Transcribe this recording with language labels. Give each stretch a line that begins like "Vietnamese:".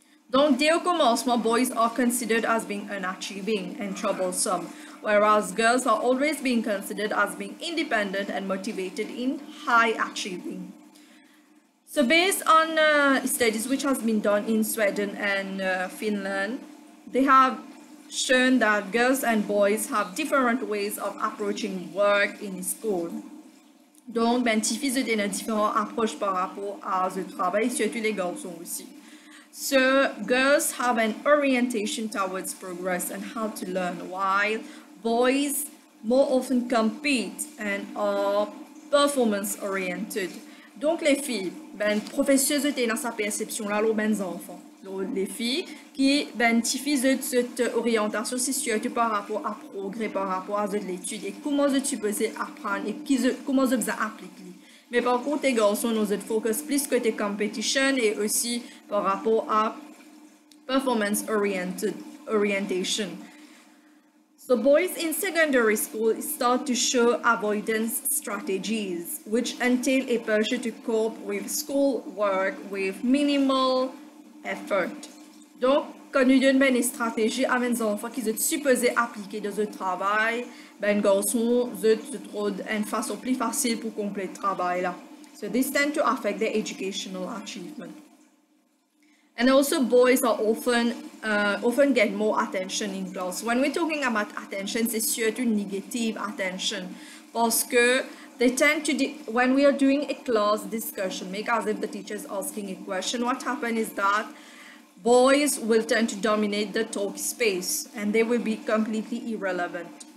French: Donc, dès au commencement,
English: boys are considered as being unachieving and troublesome, whereas girls are always being considered as being independent and motivated in high achieving. So based on studies which has been done in Sweden and Finland, they have shown that girls and boys have different ways of approaching work in school.
French: Donc, ben, les filles ont une différente approche par rapport à le travail, surtout les garçons aussi.
English: So, girls have an orientation towards progress and how to learn, while boys more often compete and are performance-oriented.
French: Donc, les filles, ben, professeurs ont dans sa perception là, aux mêmes enfants. Les filles qui bénéficient de cette orientation, c'est surtout par rapport à progrès, par rapport à l'étude et comment je peux apprendre et comment je peux appliquer. Mais par contre, les garçons, nous sommes focus plus côté competition et aussi par rapport à
English: performance oriented orientation. So boys in secondary school start to show avoidance strategies, which entail a pressure to cope with school work with minimal effort.
French: Donc, quand nous donnons une stratégie à mes enfants qu'ils sont supposés appliquer dans leur travail, ben garçons, ils trouvent une façon plus facile pour compléter le travail là.
English: So this tend to affect their educational achievement. And also, boys are often get more attention in class. When we're talking about attention,
French: c'est surtout négative attention, parce que
English: they tend to, when we are doing a class discussion, make as if the teacher is asking a question, what happens is that boys will tend to dominate the talk space and they will be completely irrelevant.